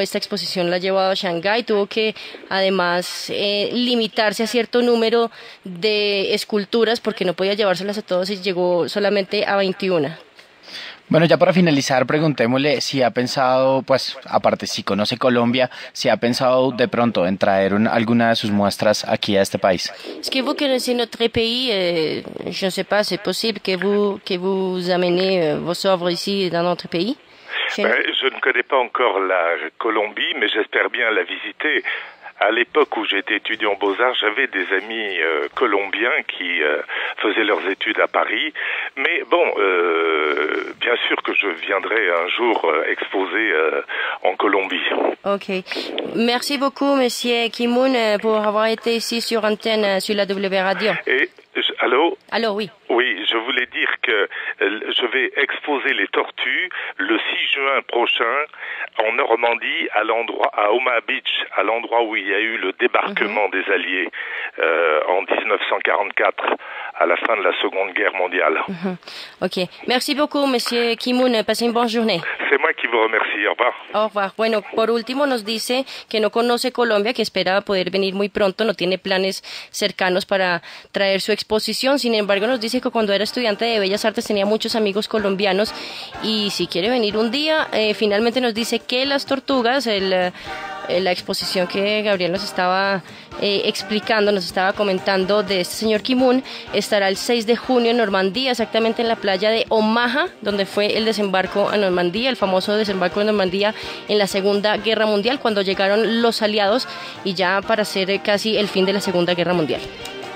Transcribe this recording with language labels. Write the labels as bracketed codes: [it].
[es] Esta exposición la ha llevado a Shanghái. Tuvo que además limitarse a cierto número de esculturas porque no podía llevárselas a todos y llegó solamente a 21. Bueno, ya para finalizar, preguntémosle si ha pensado, pues aparte si conoce Colombia, si ha pensado de pronto en traer alguna de sus muestras aquí a este país. [fr] Est-ce que vous connaissez notre pays? Je ne sais pas, c'est possible que vous amenez vos œuvres ici dans notre pays? Je ne connais pas encore la Colombie, mais j'espère bien la visiter. À l'époque où j'étais étudiant aux Beaux-Arts, j'avais des amis colombiens qui faisaient leurs études à Paris. Mais bon, bien sûr que je viendrai un jour exposer en Colombie. Ok. Merci beaucoup, Monsieur Kimoun, pour avoir été ici sur antenne sur la W Radio. Et, allô? Allô, oui. Oui, je voulais. voulais dire que je vais exposer les tortues le 6 juin prochain en Normandie, à l'endroit à Omaha Beach, à l'endroit où il y a eu le débarquement des Alliés en 1944, à la fin de la Seconde Guerre mondiale. Ok. Merci beaucoup, Monsieur Kimoun. Passez une bonne journée. C'est moi qui vous remercie. Au revoir. Au revoir. [es] Bueno, por último nos dice que no conoce Colombia, que espera poder venir muy pronto, no tiene planes cercanos para traer su exposición. Sin embargo, nos dice que cuando era estudiante de Bellas Artes tenía muchos amigos colombianos y si quiere venir un día, finalmente nos dice que las tortugas, la exposición que Gabriel nos estaba explicando, nos estaba comentando de este señor Kimoun, estará el 6 de junio en Normandía, exactamente en la playa de Omaha, donde fue el desembarco a Normandía, el famoso desembarco de Normandía en la Segunda Guerra Mundial, cuando llegaron los aliados y ya para ser casi el fin de la Segunda Guerra Mundial.